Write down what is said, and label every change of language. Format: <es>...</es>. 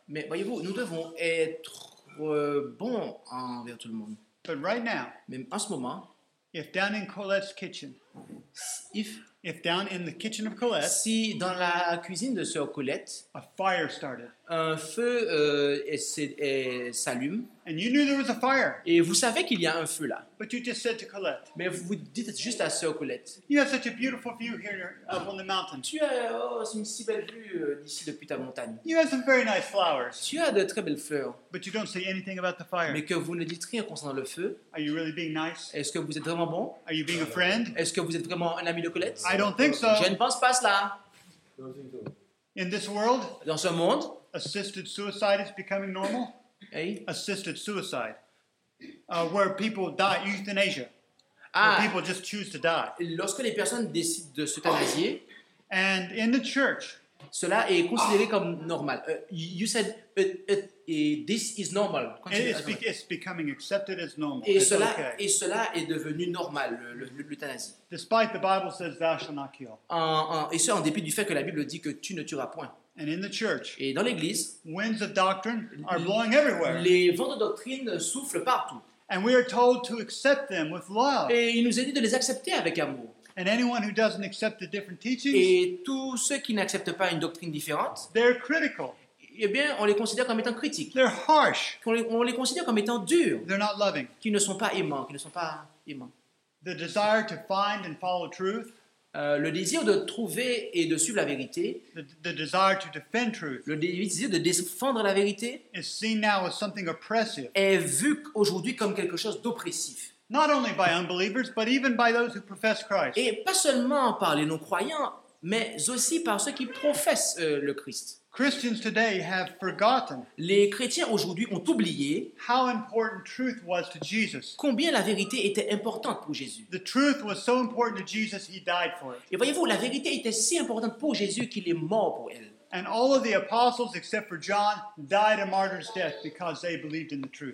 <fr>Mais voyez-vous, nous devons être bons envers tout le monde.</fr> <en>But right now,</en> <fr>mais en ce moment,</fr> <en>if down in Colette's kitchen, if down in the kitchen of Colette,</en> <fr>si dans la cuisine de sœur Colette,</fr> <en>a fire started,</en> <fr>un feu s'allume,</fr> <en>and you knew there was a fire,</en> <fr>et vous savez qu'il y a un feu là,</fr> <en>but you just said to Colette,</en> <fr>mais vous dites juste à sœur Colette,</fr> <en>you have such a beautiful view here up on the mountain,</en> <fr>tu as une si belle vue d'ici depuis ta montagne,</fr> <en>you have some very nice flowers,</en> <fr>tu as de très belles fleurs,</fr> <en>but you don't say anything about the fire,</en> <fr>mais que vous ne dites rien concernant le feu,</fr> <en>are you really being nice,</en> <fr>est-ce que vous êtes vraiment bon,</fr> <en>are you being a friend,</en> <fr>est-ce que vous êtes vraiment un ami de Colette?</fr> <en>I don't think so.</en> <fr>Je ne pense pas cela.</fr> <en>In this world,</en> <fr>dans ce monde,</fr> <en>assisted suicide is becoming normal. Hey? Assisted suicide, where people die, euthanasia, where people just choose to die.</en> <fr>Lorsque les personnes décident de s'euthanasier,</fr> <en>and in the church,</en> <fr>cela est considéré comme normal.</fr> <en>You said this is normal. It's becoming accepted as normal.</en> <fr>Et cela est devenu normal, l'euthanasie.</fr> <en>Despite the Bible says thou shalt not kill.</en> <fr>Et ce, en dépit du fait que la Bible dit que tu ne tueras point.</fr> <en>And in the church,</en> <fr>et dans l'église,</fr> <en>winds of doctrine are blowing everywhere.</en> <fr>Les vents de doctrine soufflent partout.</fr> <en>And we are told to accept them with love.</en> <fr>Et il nous est dit de les accepter avec amour.</fr> <en>And anyone who doesn't accept the different teachings,</en> <fr>et tous ceux qui n'acceptent pas une doctrine différente,</fr> <en>they're critical.</en> <fr>Eh bien, on les considère comme étant critiques.</fr> <en>They're harsh.</en> <fr>On les considère comme étant durs.</fr> <en>They're not loving.</en> <fr>Qu'ils ne sont pas aimants. Qu'ils ne sont pas aimants.</fr> <en>The desire to find and follow truth.</en> <fr>Le désir de trouver et de suivre la vérité.</fr> <en>The desire to defend truth.</en> <fr>Le désir de défendre la vérité.</fr> <en>Is seen now as something oppressive.</en> <fr>Est vu aujourd'hui comme quelque chose d'oppressif.</fr> <en>Not only by unbelievers, but even by those who profess Christ.</en> <fr>Et pas seulement par les non-croyants, mais aussi par ceux qui professent le Christ.</fr> <en>Christians today have forgotten.</en> <fr>Les chrétiens aujourd'hui ont oublié.</fr> <en>How important truth was to Jesus.</en> <fr>Combien la vérité était importante pour Jésus.</fr> <en>The truth was so important to Jesus, he died for it.</en> <fr>Et voyez-vous, la vérité était si importante pour Jésus qu'il est mort pour elle.</fr> <en>And all of the apostles, except for John, died a martyr's death because they believed in the truth.</en>